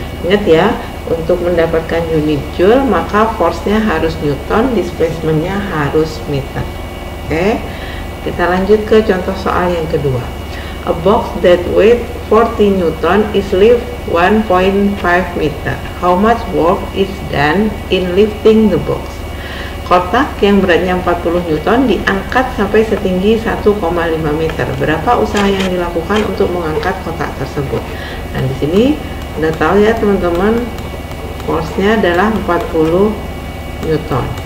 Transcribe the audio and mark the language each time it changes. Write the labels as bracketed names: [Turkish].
[Indonesian] Ingat ya, untuk mendapatkan unit joule, maka force-nya harus Newton, displacement-nya harus meter. Oke. Kita lanjut ke contoh soal yang kedua. [English] A box that weighs 40 Newton is lifted 1.5 meter. How much work is done in lifting the box? [Indonesian] Kotak yang beratnya 40 Newton diangkat sampai setinggi 1,5 meter. Berapa usaha yang dilakukan untuk mengangkat kotak tersebut? Nah, di sini udah tahu ya teman-teman, force-nya adalah 40 Newton.